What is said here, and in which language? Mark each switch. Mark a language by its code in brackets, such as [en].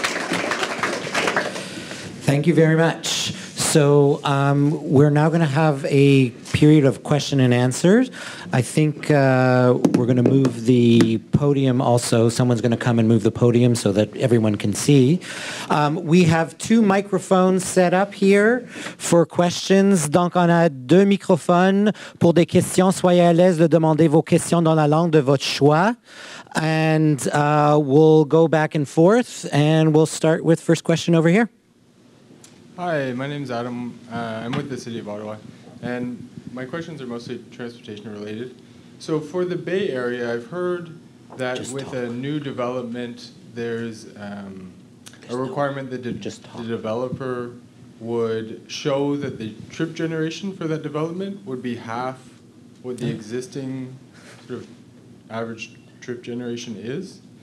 [en] Thank you very much. So we're now going to have a period of question and answers. I think we're going to move the podium also. Someone's going to come and move the podium so that everyone can see. We have two microphones set up here for questions. [fr] Donc, on a deux microphones pour des questions. Soyez à l'aise de demander vos questions dans la langue de votre choix. [en] And we'll go back and forth, and we'll start with first question over here. Hi, my name is Adam. I'm with the City of Ottawa, and my questions are mostly transportation related. So for the Bay Area, I've heard that just with talk. A new development, there's a requirement that the developer would show that the trip generation for that development would be half what the existing sort of average trip generation is.